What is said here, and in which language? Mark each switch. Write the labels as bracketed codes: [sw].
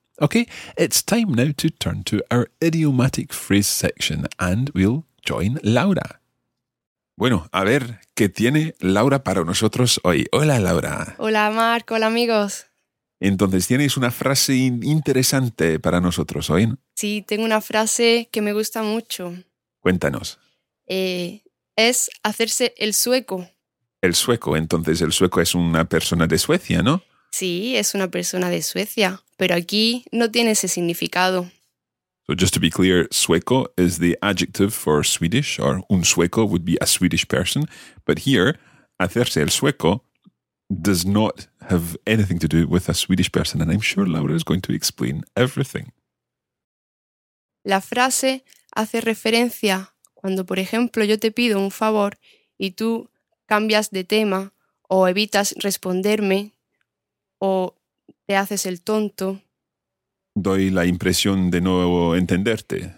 [en] Okay, it's time now to turn to our idiomatic phrase section and we'll join Laura. [es] Bueno, a ver qué tiene Laura para nosotros hoy. Hola, Laura. Hola, Marc. Hola, amigos. Entonces, tienes una frase interesante para nosotros hoy. Sí, tengo una frase que me gusta mucho. Cuéntanos. Es hacerse el sueco. El sueco. Entonces, el sueco es una persona de Suecia, ¿no? Sí, es una persona de Suecia, pero aquí no tiene ese significado. [en] So just to be clear, sueco is the adjective for Swedish, or [es] un sueco [en] would be a Swedish person. But here, [es] hacerse el sueco [en] does not have anything to do with a Swedish person, and I'm sure Laura is going to explain everything. [es] La frase hace referencia cuando, por ejemplo, yo te pido un favor y tú cambias de tema o evitas responderme o te haces el tonto. Doy la impresión de no entenderte.